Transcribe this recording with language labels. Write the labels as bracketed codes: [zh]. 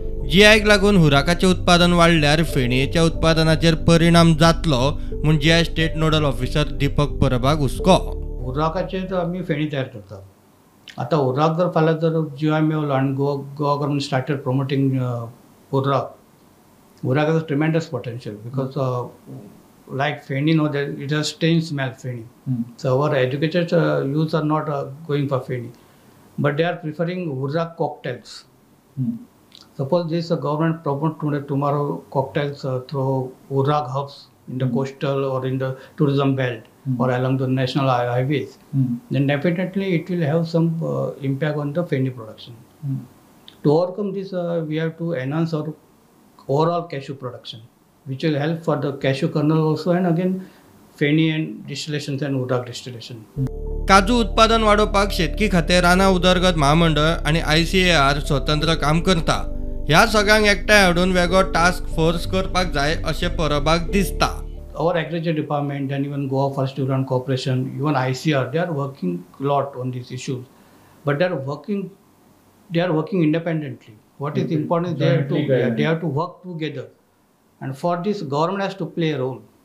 [kok] जीआयक लागून हुराकाचे उत्पादन वाढल्यार फेणयेच्या उत्पादनाचेर परिणाम जातलो म्हणून जीआय स्टेट नोडल ऑफिसर दीपक परबाग हुस्को. हुराकाचे आम्ही फेणी तयार करतात. आता हुराक जर फाल्यां जर जीआय मेळलो आणि [en] Goa government started promoting hurrak, hurrak is a tremendous potential because like feni no that it has strange smell feni. So our educated youth are not going for feni, but they are preferring hurrak cocktails. Suppose this government promote tomorrow cocktails through hurrak hubs in the coastal or in the tourism belt or along the national highways, then definitely it will have some impact on the feni production. To overcome this we have to enhance our overall cashew production, which will help for the cashew kernel also and again feni and distillations and hurrak distillation. [kok] काजू उत्पादन वाढोवपाक शेतकी खाते राना उदरगत महामंडळ आणि ICAR स्वतंत्र काम करता. ह्या सगळ्यांक एकठांय हाडून वेगळो टास्क फोर्स करपाक जाय असे परबाग दिसता. [en] Our agriculture department and even Goa Forest Development Corporation, even ICAR, they are working lot on these issues, but they are working independently. What is important is they have to work together. And for this, government has to play a role.